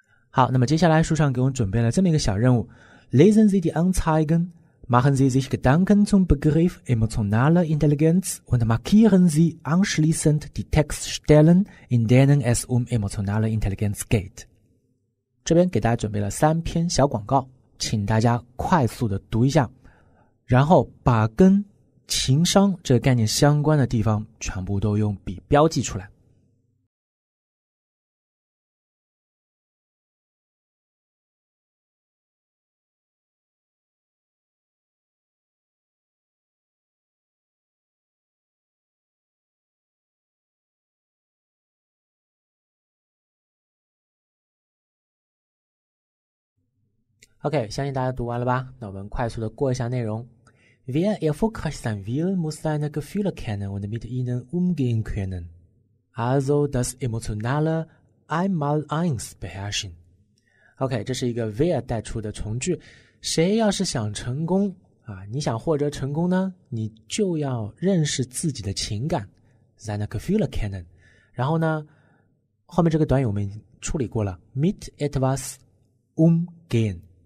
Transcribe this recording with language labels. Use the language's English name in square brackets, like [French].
[Chinese] 好，那么接下来书上给我们准备了这么一个小任务， [German] Lesen Sie die Anzeigen， Machen Sie sich Gedanken zum Begriff emotionale Intelligenz und markieren Sie anschließend die Textstellen, in denen es emotionale Intelligenz geht。 [Chinese] 这边给大家准备了三篇小广告，请大家快速的读一下，然后把跟情商这个概念相关的地方全部都用笔标记出来。 OK， 相信大家读完了吧？那我们快速的过一下内容。 [German] Wer erfolgreich sein will, muss seine Gefühle kennen und mit ihnen umgehen können. Also das emotionale Einmaleins beherrschen. [Chinese] OK， 这是一个 wer 带出的从句。谁要是想成功啊，你想获得成功呢，你就要认识自己的情感 ， [German] seine Gefühle kennen。 [Chinese] 然后呢，后面这个短语我们处理过了 ， [German] mit etwas umgehen。